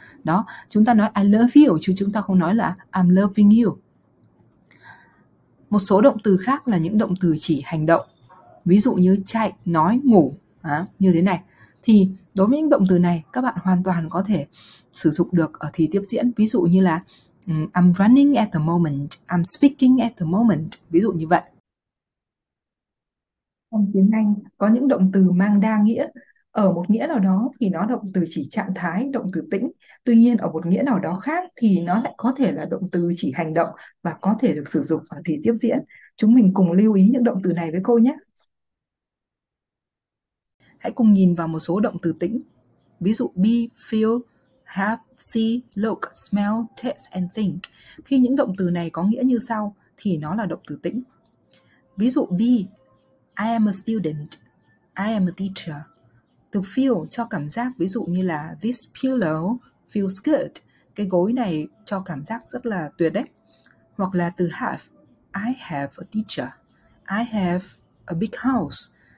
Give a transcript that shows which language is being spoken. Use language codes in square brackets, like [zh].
[vi] Đó, chúng ta nói [en] I love you [vi] chứ chúng ta không nói là [en] I'm loving you. [vi] Một số động từ khác là những động từ chỉ hành động. Ví dụ như chạy, nói, ngủ, như thế này. Thì đối với những động từ này, các bạn hoàn toàn có thể sử dụng được ở thì tiếp diễn. Ví dụ như là [en] I'm running at the moment, I'm speaking at the moment. [vi] Ví dụ như vậy. Trong tiếng Anh có những động từ mang đa nghĩa. Ở một nghĩa nào đó thì nó động từ chỉ trạng thái, động từ tĩnh. Tuy nhiên ở một nghĩa nào đó khác thì nó lại có thể là động từ chỉ hành động và có thể được sử dụng ở thì tiếp diễn. Chúng mình cùng lưu ý những động từ này với cô nhé. Hãy cùng nhìn vào một số động từ tĩnh. [en] Ví dụ be, feel, have, see, look, smell, taste and think. [vi] Khi những động từ này có nghĩa như sau thì nó là động từ tĩnh. Ví dụ be, [en] I am a student, I am a teacher. [vi] To feel cho cảm giác, ví dụ như là [en] this pillow feels good. [vi] Cái gối này cho cảm giác rất là tuyệt đấy. Hoặc là từ have, [en] I have a teacher, I have a big house.